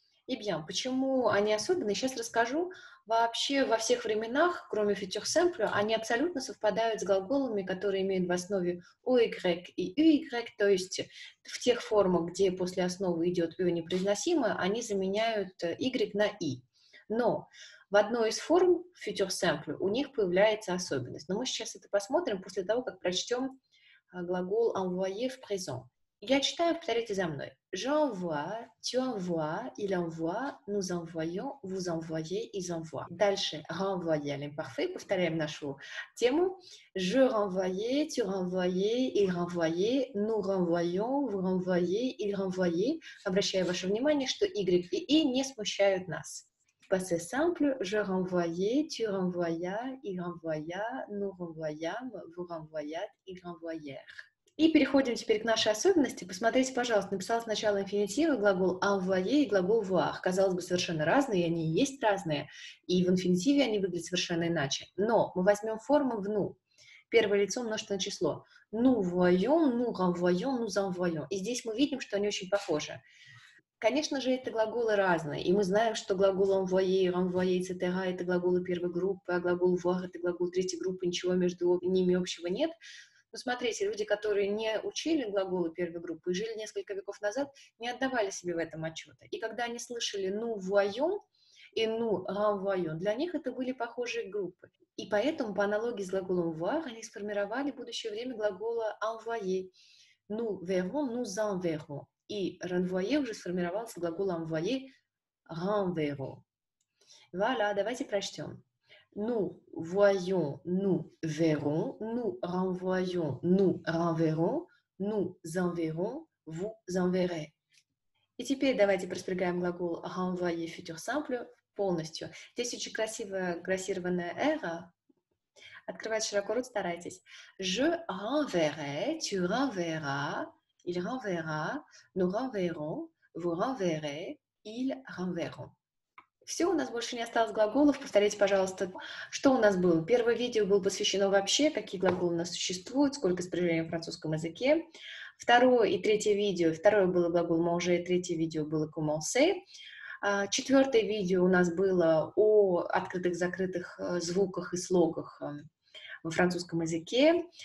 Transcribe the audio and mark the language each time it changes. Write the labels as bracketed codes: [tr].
[ru] И bien, почему они особенные? Сейчас расскажу. Вообще, во всех временах, кроме future simple, они абсолютно совпадают с глаголами, которые имеют в основе «ой грек» и «ui грек», то есть в тех формах, где после основы идет «ю» непроизносимое, они заменяют «y» на «i». Но в одной из форм future simple у них появляется особенность. Но мы сейчас это посмотрим после того, как прочтем глагол «envoyer» в présent. Я читаю, повторите за мной. [fr] J'envoie, tu envoies, il envoie, nous envoyons, vous envoyez, ils envoient. [ru] Дальше. [fr] Renvoyer à l'imparfait. [ru] Повторяем нашу тему. [fr] Je renvoyais, tu renvoyais, il renvoyait, nous renvoyons, vous renvoyez, ils renvoyaient. [ru] Обращаю ваше внимание, что Y и I не смущают нас. [fr] Passé simple. Je renvoyais, tu renvoyas, il renvoya, nous renvoyâmes, vous renvoyâtes, ils renvoyèrent. [ru] И переходим теперь к нашей особенности. Посмотрите, пожалуйста, написал сначала инфинитивы глагол envoyer и глагол voir. Казалось бы, совершенно разные, они и есть разные, и в инфинитиве они выглядят совершенно иначе. Но мы возьмем форму в ну. Первое лицо множественное число. [fr] Nous voyons, nous renvoyons, nous envoyons. [ru] И здесь мы видим, что они очень похожи. Конечно же, это глаголы разные, и мы знаем, что глагол envoyer, renvoyer, etc. это глаголы первой группы, а глагол voir это глагол третьей группы, ничего между ними общего нет. Ну, смотрите, люди, которые не учили глаголы первой группы и жили несколько веков назад, не отдавали себе в этом отчета. И когда они слышали «ну вуайон» и «ну ранвуайон», для них это были похожие группы. И поэтому, по аналогии с глаголом «вуар», они сформировали будущее время глагола «envoyer». «Ну верон», «ну зан верон». И «ранвуайон» уже сформировался глагол «envoyer» — «ранвуайон». Вуаля, давайте прочтем. [fr] Nous voyons, nous verrons, nous renvoyons, nous renverrons, nous enverrons, vous enverrez. [ru] И теперь давайте проспрягаем глагол renvoyer futur simple полностью. Здесь очень красивая грассированная R. Открывать широко рот старайтесь. [fr] Je renverrai, tu renverras, il renverra, nous renverrons, vous renverrez, ils renverront. [ru] Все, у нас больше не осталось глаголов. Повторите, пожалуйста, что у нас было. Первое видео было посвящено вообще, какие глаголы у нас существуют, сколько спряжений в французском языке. Второе и третье видео. Второе было глагол «manger», третье видео было «commencer». Четвертое видео у нас было о открытых-закрытых звуках и слогах во французском языке.